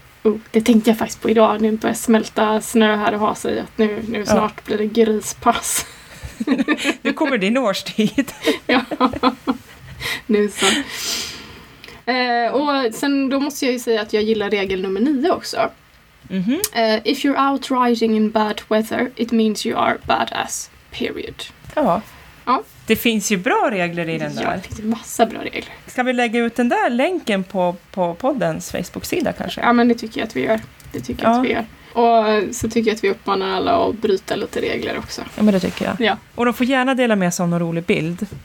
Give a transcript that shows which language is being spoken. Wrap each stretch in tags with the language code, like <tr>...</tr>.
<sv>Oh, det tänkte jag faktiskt på idag. Nu börjar smälta snö här och ha sig. Att nu snart blir det grispass. Nu kommer din årstid. Ja, nu så. Och sen då måste jag ju säga att jag gillar regel nummer 9 också.</sv> <en>If you're out riding in bad weather, it means you are badass, period.</en> <sv>Ja. Det finns ju bra regler i den där. Ja, det finns massa bra regler. Ska vi lägga ut den där länken på poddens Facebook-sida kanske? Ja, men det tycker jag att vi gör. Det tycker jag att vi gör. Och så tycker jag att vi uppmanar alla att bryta lite regler också. Ja, men det tycker jag. Ja. Och de får gärna dela med sig av någon rolig bild.</sv>